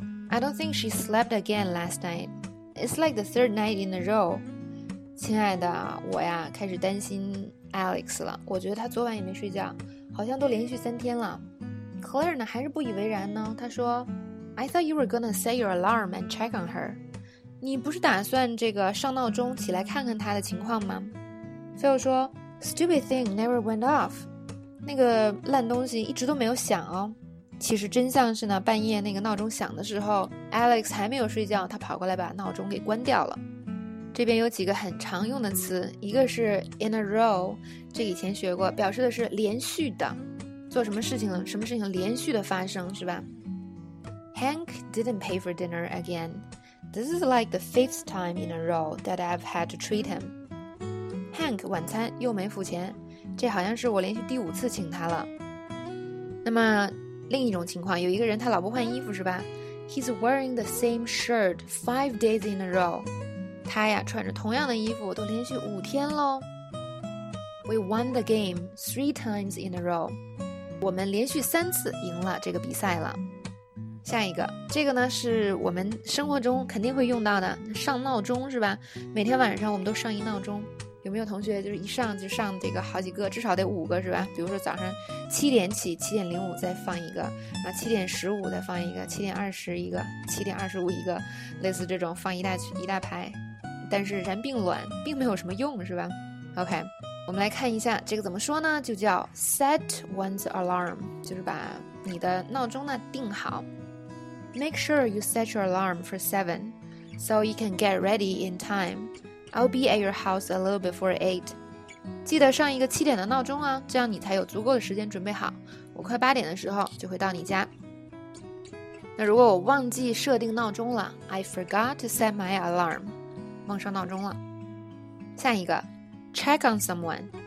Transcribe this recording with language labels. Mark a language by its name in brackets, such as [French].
[English] I don't think she slept again last night. It's like the third night in a row. [Chinese] 亲爱的，我呀开始担心Alex 了，我觉得他昨晚也没睡觉，好像都连续三天了。 [English] Claire [Chinese] 呢还是不以为然呢，他说 [English] I thought you were gonna set your alarm and check on her. [Chinese] 你不是打算这个上闹钟起来看看他的情况吗？ [English] Phil 说 Stupid thing never went off. [Chinese] 那个烂东西一直都没有响哦。其实真相是呢，半夜那个闹钟响的时候 Alex 还没有睡觉，他跑过来把闹钟给关掉了。这边有几个很常用的词，一个是 in a row， 这以前学过，表示的是连续的，做什么事情了，什么事情连续的发生，是吧？ [English] Hank didn't pay for dinner again. This is like the fifth time in a row that I've had to treat him. [Chinese] Hank 晚餐又没付钱，这好像是我连续第五次请他了。那么另一种情况，有一个人他老不换衣服，是吧？ [English] He's wearing the same shirt 5 days in a row. [Chinese] 他呀穿着同样的衣服都连续五天咯。 [English] We won the game 3 times in a row. [Chinese] 我们连续三次赢了这个比赛了。下一个，这个呢是我们生活中肯定会用到的，上闹钟是吧？每天晚上我们都上一闹钟，有没有同学就是一上就上这个好几个，至少得5个是吧？比如说早上7点起，7:05再放一个，然后7:15再放一个，7:20一个，7:25一个，类似这种放一大排，但是然并卵，并没有什么用是吧 ？OK， 我们来看一下这个怎么说呢？就叫 set one's alarm， 就是把你的闹钟呢定好。 [English] Make sure you set your alarm for 7, so you can get ready in time. I'll be at your house a little before 8. [Chinese] 记得上一个7点的闹钟啊，这样你才有足够的时间准备好。我快8点的时候就会到你家。那如果我忘记设定闹钟了， [English] I forgot to set my alarm. [Chinese] 忘上闹钟了。下一个， check on someone.